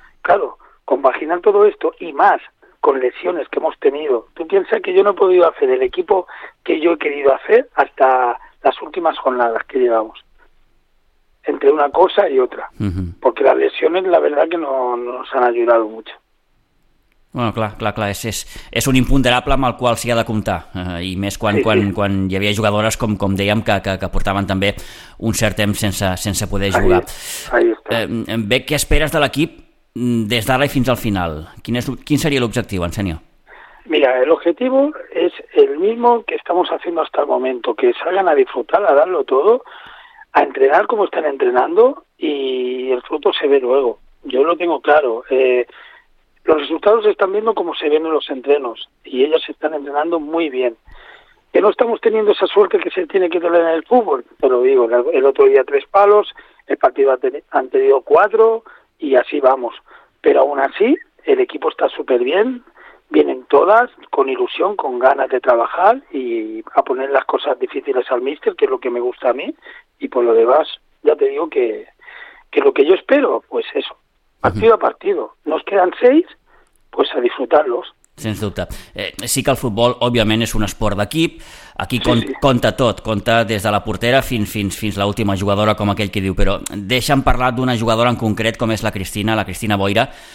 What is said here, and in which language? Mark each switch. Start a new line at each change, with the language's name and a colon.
Spanish: Claro, compaginar todo esto y más con lesiones que hemos tenido. Tú piensas que yo no he podido hacer el equipo que yo he querido hacer hasta las últimas jornadas que llevamos, entre una cosa y otra. Uh-huh. Porque las lesiones, la verdad, que no nos han ayudado mucho.
Catalan: Bueno, clar. És un imponderable amb el qual s'hi ha de comptar. I més quan hi havia jugadores, com dèiem, que portaven també un cert temps sense poder jugar.
Spanish: Ahí está.
Catalan: Què esperes de l'equip
Spanish: desde ahora y
Catalan: fins al final?
Spanish: ¿Quién sería el objetivo, Ensenio? Mira, el objetivo es el mismo que estamos haciendo hasta el momento, que salgan a disfrutar, a darlo todo, a entrenar como están entrenando, y el fruto se ve luego. Yo lo tengo claro. Los resultados se están viendo como se ven en los entrenos, y ellos se están entrenando muy bien. Que no estamos teniendo esa suerte que se tiene que tener en el fútbol, te lo digo, el otro día 3 palos, el partido anterior 4... y así vamos, pero aún así el equipo está súper bien, vienen todas con ilusión, con ganas de trabajar y a poner las cosas difíciles al míster, que es lo que me gusta a mí, y por lo demás ya te digo que lo que yo espero, pues eso, partido a partido, nos quedan 6, pues a disfrutarlos.
Catalan: Sens dubte. Sí que el futbol, òbviament, és un esport d'equip. Aquí compta tot, compta des de la portera fins l'última jugadora, com aquell qui diu. Però deixa'm parlar d'una jugadora en concret, com és la Cristina Boira,